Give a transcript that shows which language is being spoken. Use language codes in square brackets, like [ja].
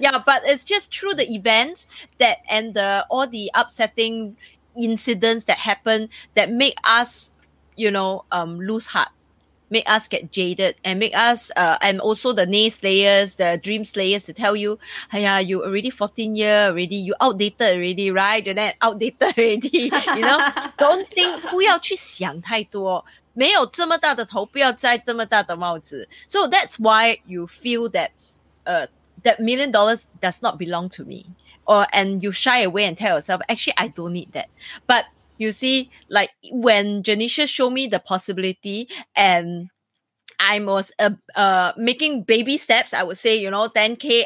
[en] Yeah， but it's just through the events that and the all the upsetting incidents that happen that make us, you know, lose heart. Make us get jaded and make us, and also the naysayers, the dream slayers to tell you, hey, you already 14 year already, you outdated already, right? And then outdated already, you know? Don't think, [zh] 不要去想太多。没有这么大的头，不要戴这么大的帽子。 [en] So that's why you feel that, that $1 million does not belong to me. Or, and you shy away and tell yourself, actually, I don't need that. But,You see, like when Janisha showed me the possibility and I was making baby steps, I would say, you know, 10K.